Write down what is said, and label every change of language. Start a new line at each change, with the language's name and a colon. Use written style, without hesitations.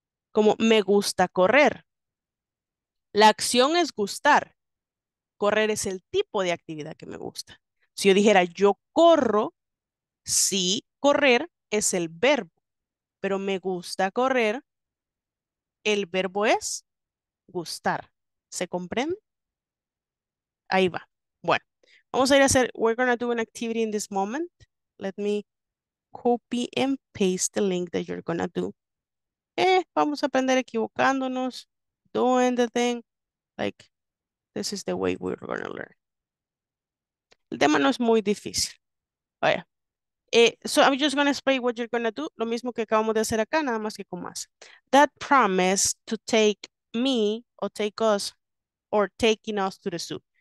Spanish: Como me gusta correr. La acción es gustar. Correr es el tipo de actividad que me gusta. Si yo dijera yo corro, sí, correr es el verbo. Pero me gusta correr, el verbo es gustar. ¿Se comprende? Ahí va. Bueno, vamos a ir a hacer,
English: we're going to do an activity in this moment. Let me copy and paste the link that you're going to do.
Spanish: Vamos a aprender equivocándonos.
English: doing the thing. Like, this is the way we're going to learn.
Spanish: El tema no es muy difícil. Vaya.
English: So I'm just going to explain what you're going to do.
Spanish: Lo mismo que acabamos de hacer acá, nada más que con más.
English: That promise to take me or take us or taking us to the zoo.